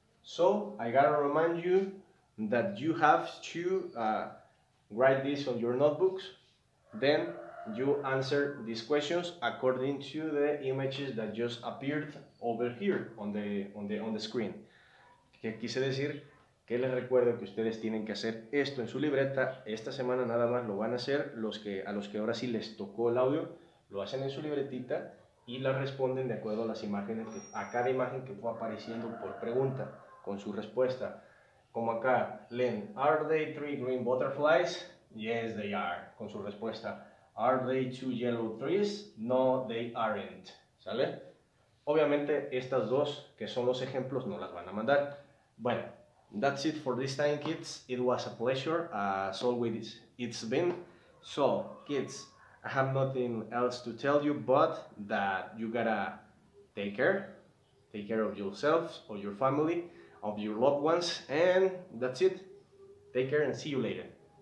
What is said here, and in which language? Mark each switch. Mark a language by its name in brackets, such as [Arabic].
[English] So, I gotta remind you that you have to write this on your notebooks. Then, you answer these questions according to the images that just appeared over here on the screen. [Spanish] ¿Qué quise decir? Que les recuerdo que ustedes tienen que hacer esto en su libreta. Esta semana nada más lo van a hacer a los que ahora sí les tocó el audio, lo hacen en su libretita y la responden de acuerdo a las imágenes, a cada imagen que fue apareciendo por pregunta, con su respuesta. Como acá, leen, [English] ¿Are they three green butterflies? Yes, they are. [Spanish] Con su respuesta, [English] ¿Are they two yellow trees? No, they aren't. [Spanish] ¿Sale? Obviamente, estas dos, que son los ejemplos, no las van a mandar. Bueno, [English] that's it for this time, kids. It was a pleasure, as always it's been. So, kids, I have nothing else to tell you but that you gotta take care of yourself, of your family, of your loved ones, and that's it. Take care and see you later.